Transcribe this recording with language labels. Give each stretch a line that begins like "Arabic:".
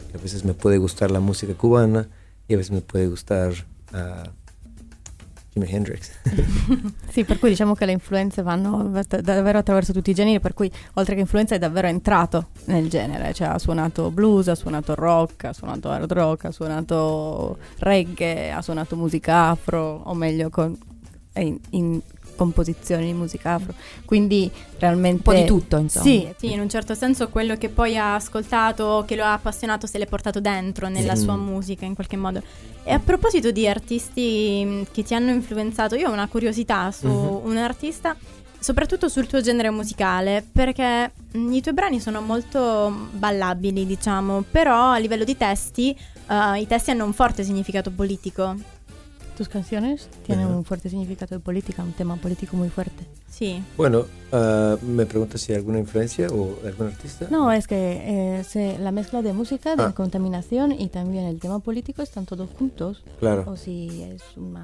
Spanish: Y a veces me puede gustar la música cubana y a veces me puede gustar Jimi Hendrix.
Italian: Sì, per cui diciamo che le influenze vanno davvero attraverso tutti i generi, per cui oltre che influenza è davvero entrato nel genere, cioè ha suonato blues, ha suonato rock, ha suonato hard rock, ha suonato reggae, ha suonato musica afro, o meglio in composizioni di musica afro, quindi realmente un po' di tutto, insomma. Sì, in un certo senso quello che poi ha ascoltato, che lo ha appassionato, se l'è portato dentro nella sua musica in qualche modo. E a proposito di artisti che ti hanno influenzato, io ho una curiosità su un artista, soprattutto sul tuo genere musicale, perché i tuoi brani sono molto ballabili, diciamo, però a livello di testi, i testi hanno un forte significato politico.
Spanish: Tus canciones tienen un fuerte significado de política, un tema político muy fuerte. Sí. Bueno, me preguntas si hay alguna influencia o algún artista. No, es que la mezcla de música, de contaminación y también el tema político están todos juntos. Claro. O si es una